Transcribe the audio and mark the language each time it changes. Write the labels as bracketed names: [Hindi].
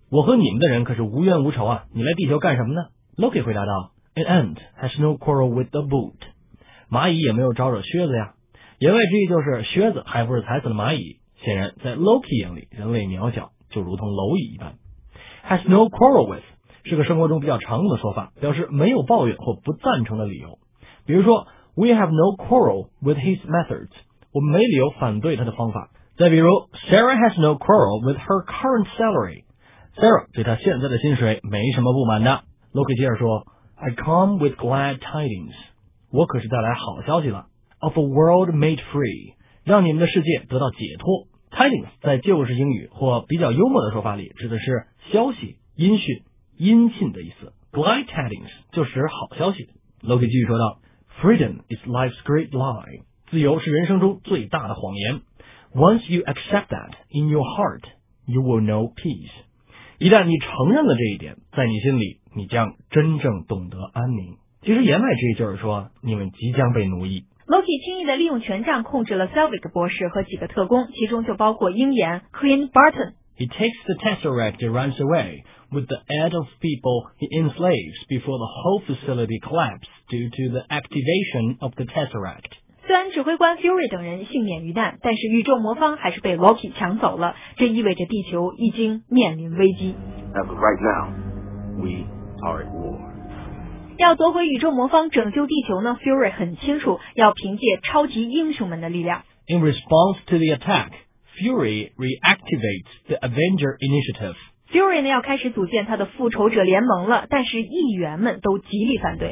[Chinese] 我和你们的人可是无冤无仇啊，你来地球干什么呢？ [English] Loki [Chinese] 回答道 [English] An ant has no quarrel with the boot. [Chinese] 蚂蚁也没有招惹靴子呀。言外之意就是靴子还不是踩死了蚂蚁。显然在 Loki 眼里，人类渺小就如同蝼蚁一般。 Has no quarrel with 是个生活中比较常用的说法，表示没有抱怨或不赞成的理由。比如说 [English] We have no quarrel with his methods. [Chinese] 我们没理由反对他的方法。再比如 [English] ，Sarah has no quarrel with her current salary. [Chinese] Sarah 对她现在的薪水没什么不满的。Loki 接着说 ， [English] I come with glad tidings. [Chinese] 我可是带来好消息了。 [English] Of a world made free. [Chinese] 让你们的世界得到解脱。 Tidings 在旧式英语或比较幽默的说法里，指的是消息、音讯、音信的意思。 Glad tidings 就是好消息。Loki 继续说道 ， [English] Freedom is life's great lie. [Chinese] 自由是人生中最大的谎言。 [English] Once you accept that in your heart, you will know peace. [Chinese] 一旦你承认了这一点，在你心里，你将真正懂得安宁。其实言外之意就是说，你们即将被奴役。 Loki 轻易的利用权杖控制了 Selvig 博士和几个特工，其中就包括鹰眼 Queen Barton。 [English] He takes the Tesseract and runs away with the aid of people he enslaves before the whole facility collapses due to the activation of the Tesseract. [Chinese] 虽然指挥官 Fury 等人幸免于难，但是宇宙魔方还是被 Loki 抢走了，这意味着地球已经面临危机。 [English] As of right now, we are at war. [Chinese] 要夺回宇宙魔方拯救地球呢， Fury 很清楚要凭借超级英雄们的力量。 [English] In response to the attack, Fury reactivates the Avenger Initiative. [Chinese] Fury 呢要开始组建他的复仇者联盟了，但是议员们都极力反对。